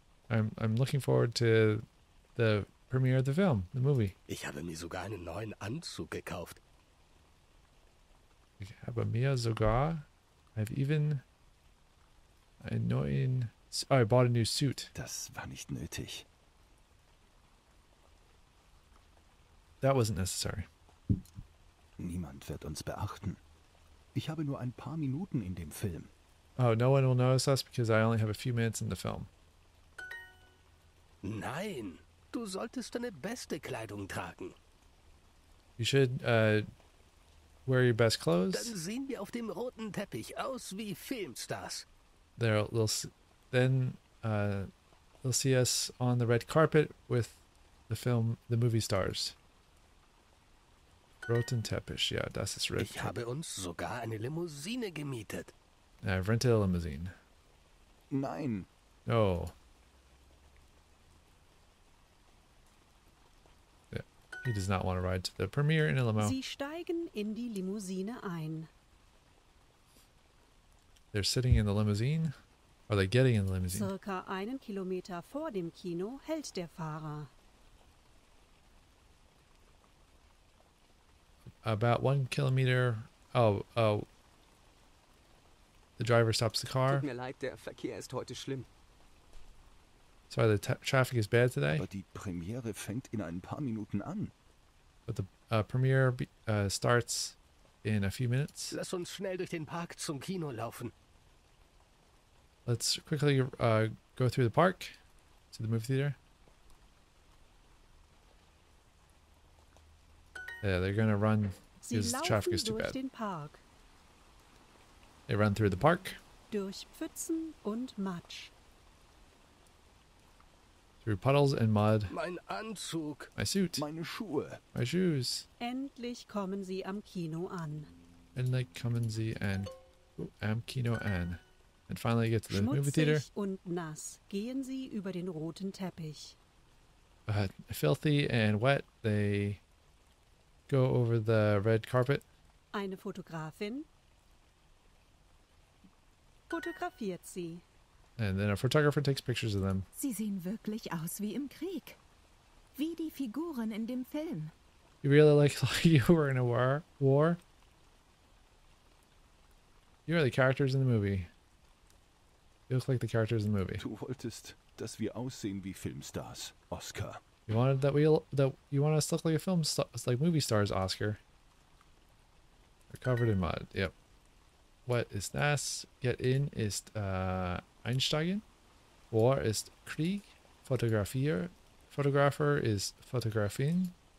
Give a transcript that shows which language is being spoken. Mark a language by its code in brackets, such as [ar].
[en] I'm looking forward to the premiere of the film, the movie. [de] Ich habe mir sogar einen neuen Anzug gekauft. Ich habe mir sogar, [en] I've even, [de] einen neuen, [en] I bought a new suit. [de] Das war nicht nötig. [en] That wasn't necessary. [de] Niemand wird uns beachten. Ich habe nur ein paar Minuten in dem Film. [en] Oh, no one will notice us because I only have a few minutes in the film. [de] Nein, du solltest deine beste Kleidung tragen. [en] You should wear your best clothes. [de] Dann sehen wir auf dem roten Teppich aus wie Filmstars. [en] They'll see us on the red carpet with the film, the movie stars. [de] Roten Teppich, ja, das ist richtig. Ich habe uns sogar eine Limousine gemietet. [en] I've rented a limousine. [de] Nein. Oh. [en] He does not want to ride to the premiere in a limo. [de] Sie steigen in die Limousine ein. [en] They're sitting in the limousine. Are they getting in the limousine? [de] Circa einen Kilometer vor dem Kino hält der Fahrer. [en] About 1 kilometer. The driver stops the car. [de] Tut mir leid, der Verkehr ist heute schlimm. [en] Sorry, the traffic is bad today. [de] Aber die Premiere fängt in ein paar Minuten an. [en] But the premiere starts in a few minutes. [de] Lass uns schnell durch den Park zum Kino laufen. [en] Let's quickly go through the park to the movie theater. Yeah, they're gonna run because the traffic is too bad. [de] Den Park. [en] They run through the park. [de] Durch Pfützen und Matsch. [en] Through puddles and mud. [de] Mein Anzug. [en] My suit. [de] Meine Schuhe. [en] My shoes. [de] Endlich kommen sie am Kino an. Endlich kommen sie an. Oh, am Kino an. [en] And finally get to the [de] Schmutzig [en] movie theater. [de] Und nass gehen sie über den roten Teppich. [en] Filthy and wet, they go over the red carpet. [de] Eine Fotografin fotografiert sie. [en] And then a photographer takes pictures of them. [de] Sie sehen wirklich aus wie im Krieg. Wie die Figuren in dem Film. [en] You really look like you were in a war? You are the characters in the movie. You look like the characters in the movie. [de] Du wolltest, dass wir aussehen wie Filmstars, Oscar. [en] You wanted that you want us to look like a film like movie stars, Oscar. They're covered in mud. Yep. What is das? Get in [de] ist einsteigen. [en] War [de] ist Krieg. [en] Photographer is fotografin.